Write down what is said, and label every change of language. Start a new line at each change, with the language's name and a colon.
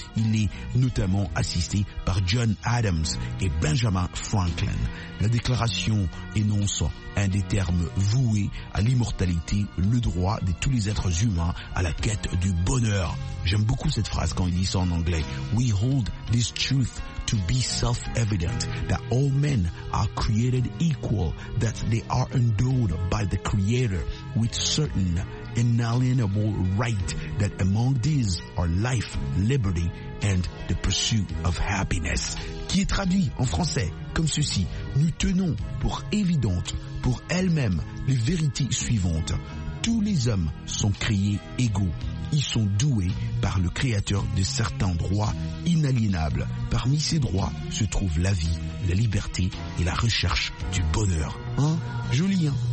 French: Il est notamment assisté par John Adams et Benjamin Franklin. La déclaration énonce un des termes voués à l'immortalité, le droit de tous les êtres humains à la quête du bonheur. J'aime beaucoup cette phrase quand il dit ça en anglais.
English: We hold this truth to be self-evident, that all men are created equal, that they are endowed by the Creator with certain inalienable rights, that among these are life, liberty, and the pursuit of happiness.
French: Qui est traduit en français comme ceci. Nous tenons pour évidente, pour elle-même, les vérités suivantes. Tous les hommes sont créés égaux. Ils sont doués par le Créateur de certains droits inaliénables. Parmi ces droits se trouvent la vie, la liberté et la recherche du bonheur. Hein? Joli, hein?